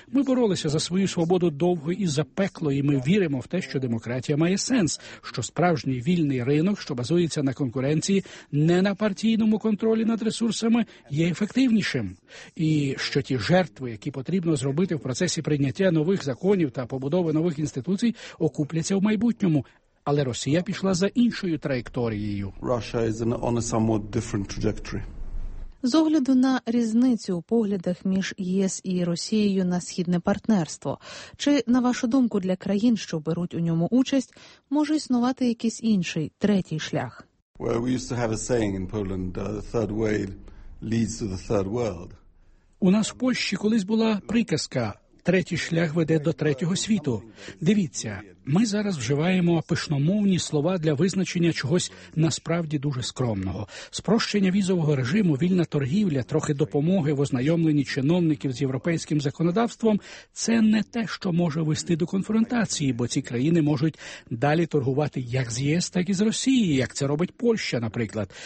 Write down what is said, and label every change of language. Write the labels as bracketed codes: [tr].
[uk] Ми боролися за свою свободу довго і за пекло, і ми віримо в те, що демократія має сенс, що справжній вільний ринок, що базується на конкуренції, не на партійному контролі над ресурсами, є ефективнішим. І що ті жертви, які потрібно зробити в процесі прийняття нових законів та побудови нових інституцій, окупляться в майбутньому. Але Росія пішла за іншою траєкторією. [en] Russia is on a somewhat different trajectory. [uk] З огляду на різницю у поглядах між ЄС і Росією на східне партнерство, чи, на вашу думку, для країн, що беруть у ньому участь, може існувати якийсь інший, третій шлях? [en] Well, we used to have a saying in Poland, the third way leads to the third world. [uk] У нас в Польщі колись була приказка: третій шлях веде до третього світу. Дивіться, ми зараз вживаємо пишномовні слова для визначення чогось насправді дуже скромного. Спрощення візового режиму, вільна торгівля, трохи допомоги в ознайомленні чиновників з європейським законодавством – це не те, що може вести до конфронтації, бо ці країни можуть далі торгувати як з ЄС, так і з Росією, як це робить Польща, наприклад.